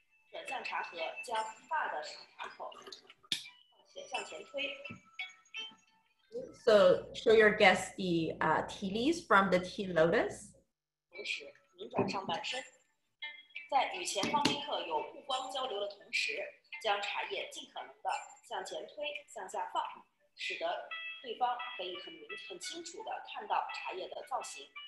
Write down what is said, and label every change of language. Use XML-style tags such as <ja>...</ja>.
<zh>转向茶盒，将大的茶口向前推。</zh> <en>So show your guests the tea leaves from the tea lotus.</en> <zh>同时，拧转上半身，在与前方宾客有目光交流的同时，将茶叶尽可能的向前推、向下放，使得对方可以很清楚的看到茶叶的造型。</zh>